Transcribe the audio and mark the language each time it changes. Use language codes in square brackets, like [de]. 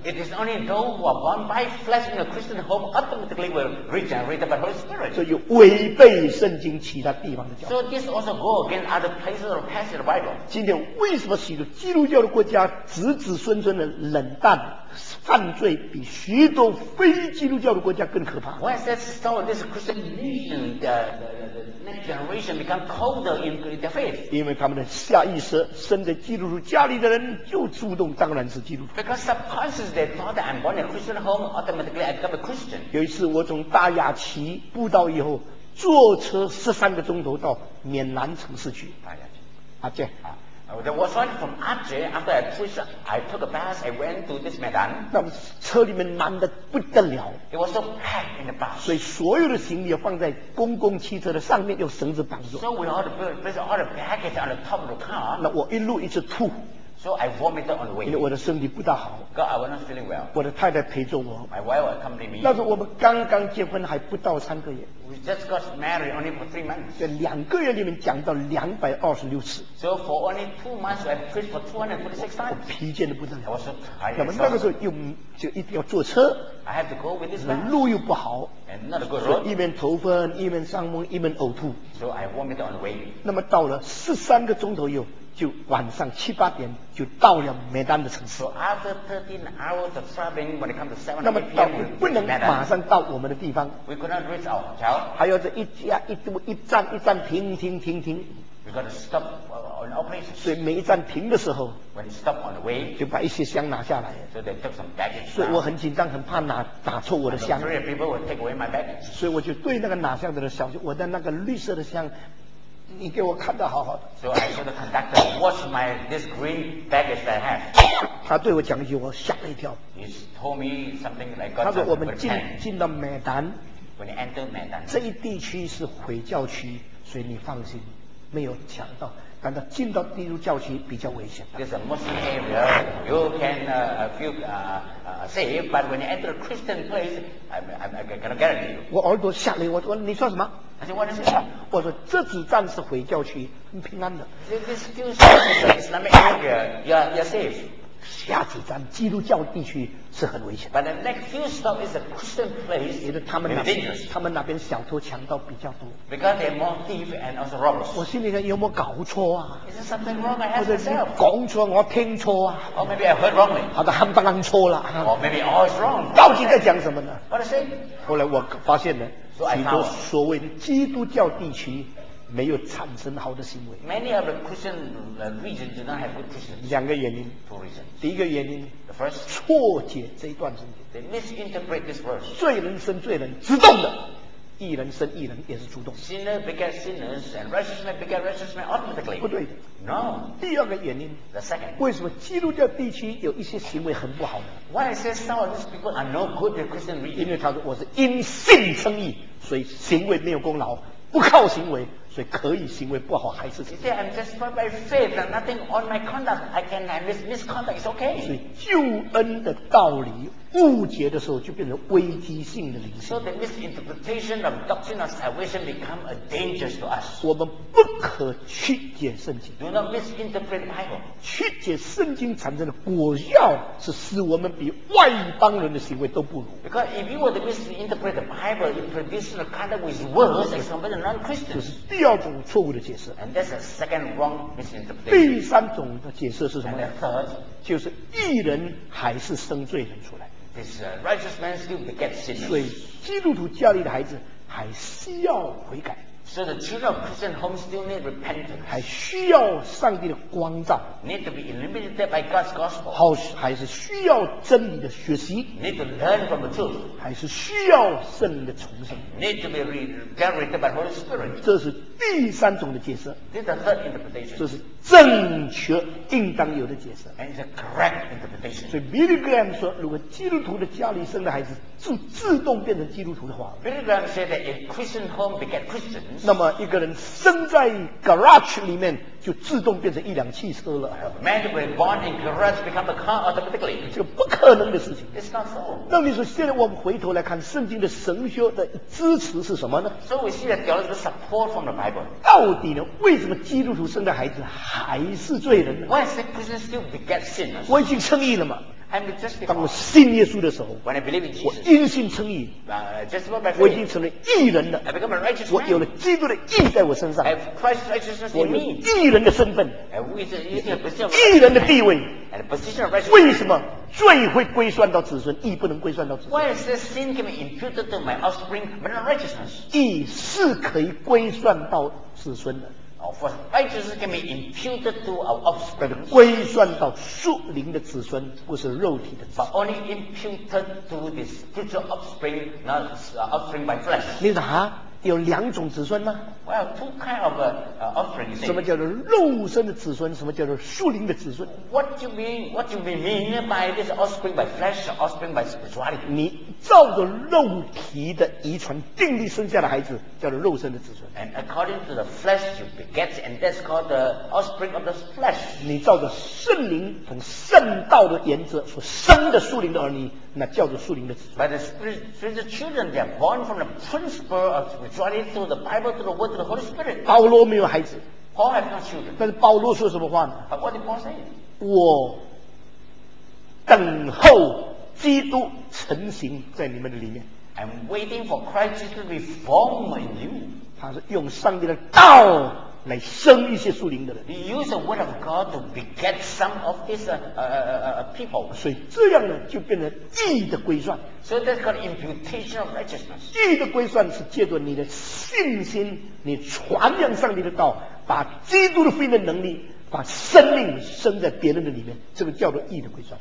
[en] It is only those who are born by flesh in a Christian home automatically will regenerate by Holy Spirit. [zh] 所以违背圣经其他地方的教义。 [en] So this also go against other places of passage of the Bible. [zh] 今天为什么许多基督教的国家子子孙孙的冷淡？犯罪比许多非基督教的国家更可怕。 [en] Why is that so? This Christian nation, the next generation become colder in their faith. [zh] 因为他们的下意识，生在基督徒家里的人就主动当然是基督徒。 [en] Because subconsciously they thought that I'm born in a Christian home, automatically I become a Christian. [zh] 有一次我从大雅旗步道以后，坐车13个钟头到缅南城市去。大雅旗，阿杰。 [en] There was one from Aceh. After I preached, I took a bus. I went to this Medan. [zh] 那车里面满得不得了。 [en] It was so packed in the bus. [zh] 所以所有的行李要放在公共汽车的上面，用绳子绑住。 [en] So we all place all the baggage on the top of the car. [zh] 那我一路一直吐。 [en] So I vomited on the way. [zh] 因为我的身体不大好。 [en] God, I was not feeling well. [zh] 我的太太陪着我。 [en] My wife was accompanying me. [zh] 那时候我们刚刚结婚，还不到3个月。 [en] We just got married only for 3 months. [zh] 在2个月里面讲到226次。 [en] So for only 2 months, I preached for 246 times. [zh] 我疲倦的不得了。 [en] I was so tired. [zh] 那么那个时候又就一定要坐车。 [en] I had to go with this man. [zh] 路又不好。 [en] And not a good road. [zh] 一边头昏，一边上梦，一边呕吐。 [en] So I vomited on the way. [zh] 那么到了13个钟头又，就晚上7-8点就到了梅丹的城市。 [en] So after 13 hours of traveling, when it comes to 7 p.m. [zh] 那么到不能马上到我们的地方。 [en] We could not reach our hotel. [zh] 还要这一站停。 [en] We got to stop on our places. [zh] 所以每一站停的时候 [en] when you stop on the way, [zh] 就把一些箱拿下来 [en] so they took some baggage. [zh] 所以我很紧张很怕拿打错我的箱 [en] and three people would take away my baggage. [zh] 所以我就对那个拿箱子的小我的那个绿色的箱你给我看得好好的 [en] so I told the conductor what's my this green baggage that I have [zh] 他对我讲一句我吓了一跳 [en] he told me something like God's [zh] 他说我们进了美丹 [en] when you enter 美丹 [zh] 这一地区是回教区所以你放心没有抢到，但是进到基督教区比较危险。 [en] There's a Muslim area you can feel safe, but when you enter a Christian place, I'm gonna guarantee you. [zh] 我耳朵吓了，我说你说什么？他说 [en] What is it? [zh] 我说这只站是回教区，很平安的。 [en] This few stations is Islamic area, you're safe. [zh] 下几站基督教地区是很危险。 [en] But the next few stops is a Christian place. [zh] 因为他们那边小偷强盗比较多。 [en] Because they're more thief and also robbers. [zh] 我心里想有没有搞错啊 [en] ？Is there something wrong with myself? [zh] 或者你讲错，我听错啊 [en] ？Or maybe I heard wrongly. [zh] 好的，很不能错了。 [en] Or maybe all is wrong. [zh] 到底在讲什么呢 [en] ？What is it? [zh] 后来我发现呢，许多所谓的基督教地区。没有产生好的行为。 [en] Many of the Christian regions do not have good Christians. [zh] 两个原因。 [en] Two reasons. [zh] 第一个原因。 [en] The first. [zh] 错解这一段圣经。 [en] They misinterpret this verse. [zh] 罪人生罪人，主动的；义人生义人，也是主动。 [en] Sinner begets sinners, and righteous man begets righteous man automatically. [zh] 不对。 [en] No. [zh] 第二个原因。 [en] The second. [zh] 为什么基督教地区有一些行为很不好呢 [en] ？Why is it some of these people are no good in Christian regions? [zh] 因为他说我是因信称义，所以行为没有功劳，不靠行为。所以可以行为不好还是？ [en] You say I'm justified by faith and nothing on my conduct. I can have this misconduct. It's okay. [zh] 所以救恩的道理误解的时候，就变成危机性的灵性。 [en] So the misinterpretation of doctrine of salvation become a danger to us. [zh] 我们不可曲解圣经。 [en] Do not misinterpret Bible. [zh] 曲解圣经产生的果效是使我们比外邦人的行为都不如。 [en] Because if you were to misinterpret the Bible, it produces a kind of which is worse as compared to non-Christians. [zh] 第二种错误的解释。 [en] And that's a second wrong misinterpretation. [zh] 第三种的解释是什么呢 [en] ？And the third, [zh] 就是义人还是生罪人出来。 [en] This righteous man still begets sinners. [zh] 所以基督徒家里的孩子还需要悔改。 [en] So the children of Christian homes still need repentance. [zh] 还需要上帝的光照。 [en] Need to be illuminated by God's gospel. [zh] 还是需要真理的学习。 [en] Need to learn from the truth. [zh] 还是需要圣灵的重生。 [en] Need to be regenerated by Holy Spirit. [zh] 这是第三种的解释。 [en] This is the third interpretation. [zh] 这是正确应当有的解释。 [en] And it's a correct interpretation. [zh] 所以 Billy Graham 说，如果基督徒的家里生的孩子就自动变成基督徒的话 [en] ，Billy Graham said that if Christian home became Christian. [zh] 那么一个人生在 garage 里面就自动变成一辆汽车了。 [en] Man who was born in garage become a car automatically. [zh] 这个不可能的事情。 [en] It's not so. [zh] 那你说现在我们回头来看圣经的神学的支持是什么呢 [en] ？So we see that theology support from the Bible. [zh] 到底呢？为什么基督徒生的孩子还是罪人呢 [en] ？Why is it Christian still begets sinners? [zh] 我已经称义了嘛。 [en] I'm justified. [zh] 当我信耶稣的时候 [en] When I believe in Jesus, [zh] 我因信称义 [en] justified by faith, [zh] 我已经成了义人了 [en] I become a righteous man. [zh] 我有了基督的义在我身上 [en] I have Christ's righteousness [zh] 我有义人的身份 [en] we [zh] 义人的地位 [en] and a position of righteousness. [zh] 为什么罪会归算到子孙义不能归算到子孙 [en] Why is this sin can be imputed to my offspring but not righteousness? [zh] 义是可以归算到子孙的 [en] Of course, righteousness can be imputed to our offspring. [zh] 归算到属灵的子孙，不是肉体的子孙。 [en] But only imputed to the spiritual offspring, not offspring by flesh. [zh] 你说啊，有两种子孙吗 [en] ？Well, two kind of offspring. [zh] 什么叫做肉身的子孙？什么叫做属灵的子孙 [en] ？What do you mean by this offspring by flesh, offspring by spirituality? [zh] 你照着肉体的遗传定力生下的孩子叫做肉身的子孙。 [en] And according to the flesh you beget, and that's called the offspring of the flesh. [zh] 你照着圣灵从圣道的原则所生的属灵的儿女，那叫做属灵的子孙。 [en] But the spiritual children they are born from the principle of spirituality through the Bible, through the word, through the Holy Spirit. [zh] 保罗没有孩子。 [en] Paul has no children. [zh] 但是保罗说什么话呢 [en] ？But what did Paul say? [zh] 我等候。基督成形在你们的里面。 [en] I'm waiting for Christ to be formed in you. [zh] 他是用上帝的道来生一些属灵的人。 [en] He used the word of God to beget some of these people. [zh] 所以这样呢，就变成义的归算。 [en] So that's called imputation of righteousness. [zh] 义的归算是借着你的信心，你传扬上帝的道，把基督的福音的能力。把生命生在别人的里面，这个叫做义的归算。